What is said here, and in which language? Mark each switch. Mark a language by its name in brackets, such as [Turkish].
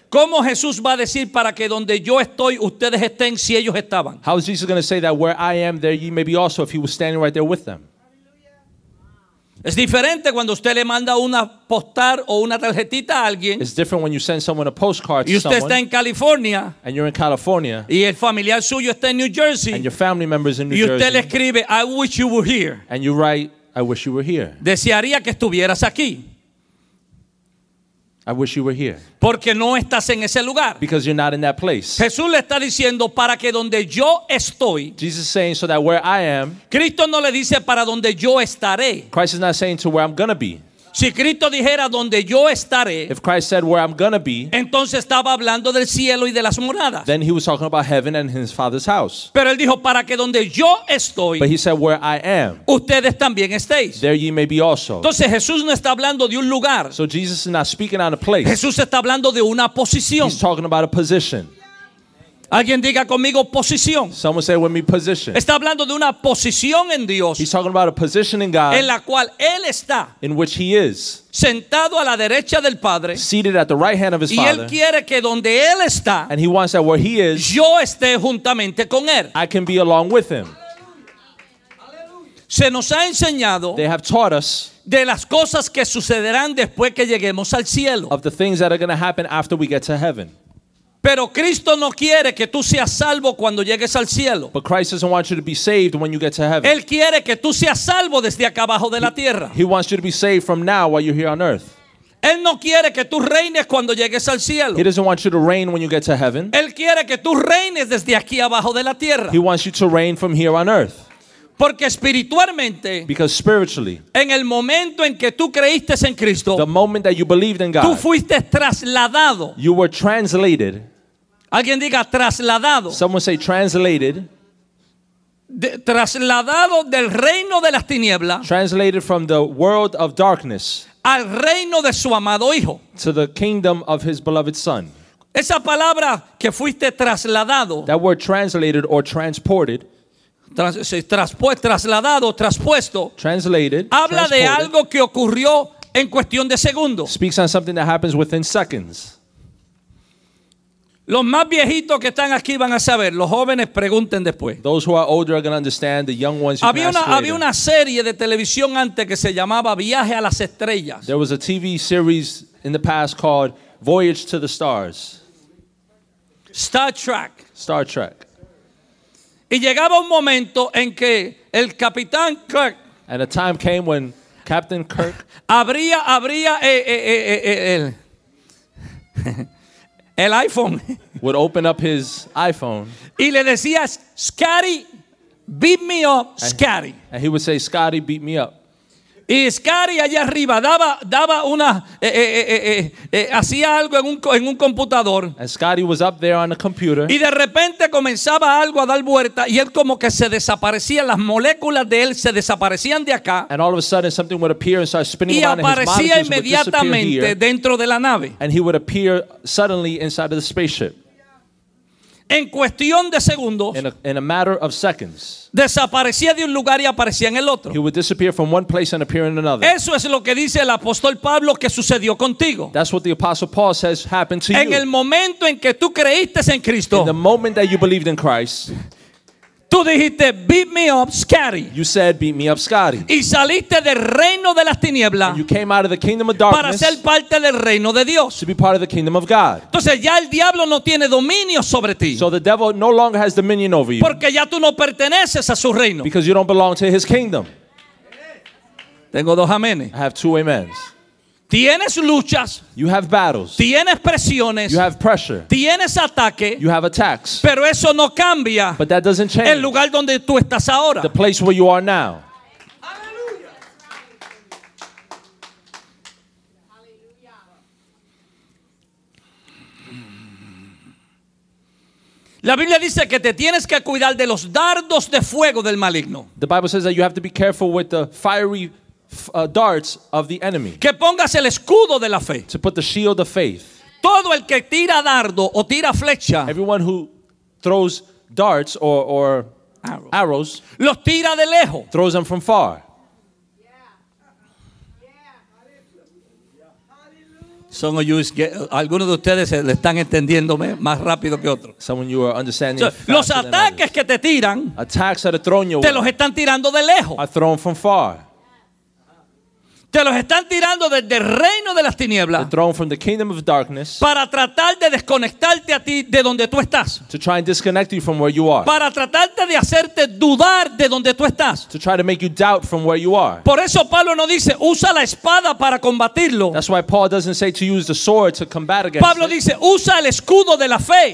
[Spanish] ¿Cómo Jesús va a decir para que donde yo estoy ustedes estén si ellos estaban? [English] How is Jesus going to say that where I am there ye may be also if he was standing right there with them? [Spanish] Es diferente cuando usted le manda una postal o una tarjetita a alguien. [English] It's different when you send someone a postcard to someone. [Spanish] Y usted está en California. [English] And you're in California. [Spanish] Y el familiar suyo está en New Jersey. [English] And your family member is in New Jersey. [Spanish] Y usted le escribe, [English] I wish you were here. And you write, I wish you were here. [Spanish] Desearía que estuvieras aquí. [English] I wish you were here. [Spanish] Porque no estás en ese lugar. [English] Because you're not in that place. [Spanish] Jesús le está diciendo para que donde yo estoy. [English] Jesus is saying so that where I am. [Spanish] Cristo no le dice para donde yo estaré. [English] Christ is not saying to where I'm gonna be. [Spanish] Si Cristo dijera donde yo estaré, [English] if Christ said where I'm gonna be, [Spanish] entonces estaba hablando del cielo y de las moradas. [English] Then he was talking about heaven and his father's house. [Spanish] Pero él dijo para que donde yo estoy, [English] but he said where I am, [Spanish] ustedes también estéis. [English] There ye may be also. [Spanish] Entonces Jesús no está hablando de un lugar. [English] So Jesus is not speaking on a place. [Spanish] Jesús está hablando de una posición. [English] He's talking about a position. [Spanish] Alguien diga conmigo posición. [English] Someone say with me position. [Spanish] Está hablando de una posición en Dios. [English] He's talking about a position in God. [Spanish] En la cual él está. [English] In which he is. [Spanish] Sentado a la derecha del Padre. [English] Seated at the right hand of his [Spanish] y [English] Father. [Spanish] Y él quiere que donde él está. [English] And he wants that where he is. [Spanish] Yo esté juntamente con él. [English] I can be along with him. [Spanish] Se nos ha enseñado. [English] They have taught us. [Spanish] De las cosas que sucederán después que lleguemos al cielo. [English] Of the things that are going to happen after we get to heaven. [Spanish] Pero Cristo no quiere que tú seas salvo cuando llegues al cielo. [English] But Christ doesn't want you to be saved when you get to heaven. [Spanish] Él quiere que tú seas salvo desde acá abajo de la tierra. [English] He wants you to be saved from now while you're here on earth. [Spanish] Él no quiere que tú reines cuando llegues al cielo. [English] He doesn't want you to reign when you get to heaven. [Spanish] Él quiere que tú reines desde aquí abajo de la tierra. [English] He wants you to reign from here on earth. [Spanish] Porque espiritualmente, [English] because spiritually, [Spanish] en el momento en que tú creíste en Cristo, [English] the moment that you believed in God, [Spanish] tú fuiste trasladado. [English] You were translated. [Spanish] Alguien diga trasladado. [English] Someone say translated. [Spanish] Trasladado del reino de las tinieblas. [English] Translated from the world of darkness. [Spanish] Al reino de su amado hijo. [English] To the kingdom of his beloved son. [Spanish] Esa palabra que fuiste trasladado. [English] That word translated or transported. [Spanish] Trasladado, traspuesto. [English] Translated. [Spanish] Habla de algo que ocurrió en cuestión de segundos. [English] Speaks on something that happens within seconds. [Spanish] Los más viejitos que están aquí van a saber. Los jóvenes pregunten después. [English] Those who are older are going to understand. The young ones. [Spanish] Había una serie de televisión antes que se llamaba Viaje a las Estrellas. [English] There was a TV series in the past called Voyage to the Stars. Star Trek. Star Trek. [Spanish] Y llegaba un momento en que el Capitán Kirk. [English] And a time came when Captain Kirk. [Spanish] Abría el. El iPhone. [English] Would open up his iPhone. [Spanish] Y le decía, Scotty, [English] beat me up, [Spanish] Scotty. [English] And he would say, Scotty, beat me up. [Spanish] Y Scotty allá arriba daba una, hacía algo en un computador. [English] And Scotty was up there on a computer. [Spanish] Y de repente comenzaba algo a dar vuelta y él como que se desaparecía, las moléculas de él se desaparecían de acá. [English] And all of a sudden something would appear and start spinning around. [Spanish] Y aparecía inmediatamente dentro de la nave. [English] And he would appear suddenly inside of the spaceship. [Spanish] En cuestión de segundos. [English] In a matter of seconds. [Spanish] Desaparecía de un lugar y aparecía en el otro. [English] He would disappear from one place and appear in another. [Spanish] Eso es lo que dice el apóstol Pablo que sucedió contigo. [English] That's what the apostle Paul says happened to [Spanish] en [English] you. [Spanish] En el momento en que tú creíste en Cristo. [English] In the moment that you believed in Christ. [Spanish] Tú dijiste, [English] beat me up, [Spanish] Scotty. [English] You said, beat me up, Scotty. [Spanish] Y saliste del reino de las tinieblas. [English] And you came out of the kingdom of darkness. [Spanish] Para ser parte del reino de Dios. [English] To be part of the kingdom of God. [Spanish] Entonces ya el diablo no tiene dominio sobre ti. [English] So the devil no longer has dominion over you. [Spanish] Porque ya tú no perteneces a su reino. [English] Because you don't belong to his kingdom. [Spanish] Tengo dos amenes. [English] I have two amens. [Spanish] Tienes luchas. [English] You have battles. [Spanish] Tienes presiones. [English] You have pressure. [Spanish] Tienes ataque. [English] You have attacks. [Spanish] Pero eso no cambia. [English] But that doesn't change. [Spanish] El lugar donde tú estás ahora. [English] The place where you are now. [Spanish] La Biblia dice que te tienes que cuidar de los dardos de fuego del maligno. [English] The Bible says that you have to be careful with the fiery darts of the enemy. [Spanish] Que pongas el escudo de la fe. [English] To put the shield of faith. [Spanish] Todo el que tira dardo o tira flecha. [English] Everyone who throws darts or arrows. [Spanish] Los tira de lejos. [English] Throws them from far. Some of you is [Spanish] algunos de ustedes le están entendiéndome más rápido que otros. [English] Some of you are understanding. [Spanish] Los ataques que te tiran. [English] Attacks that are thrown your [Spanish] way. Te los están tirando de lejos. [English] Are thrown from far. [Spanish] Te los están tirando desde el reino de las tinieblas. [English] Thrown from the kingdom of darkness. [Spanish] Para tratar de desconectarte a ti de donde tú estás. [English] To try and disconnect you from where you are. [Spanish] Para tratarte de hacerte dudar de donde tú estás. [English] To try to make you doubt from where you are. [Spanish] Por eso Pablo no dice usa la espada para combatirlo. [English] That's why Paul doesn't say to use the sword to combat against. [Spanish] Pablo dice usa el escudo de la fe.